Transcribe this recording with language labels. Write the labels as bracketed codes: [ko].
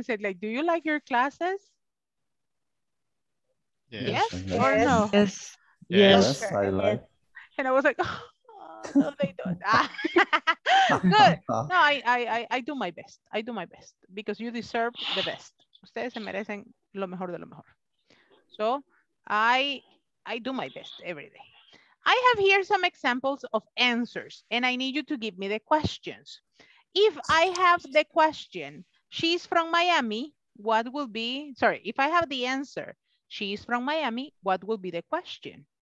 [en] It said, like, do you like your classes? Yes. Yes, I like. And I was like, oh, no, they don't. Good. No, I do my best. I do my best because you deserve the best. [es] Ustedes se merecen lo mejor de lo mejor. [en] So I do my best every day. I have here some examples of answers, and I need you to give me the questions. If I have the question, she's from Miami, what will be, sorry, if I have the answer, she's from Miami, what will be the question?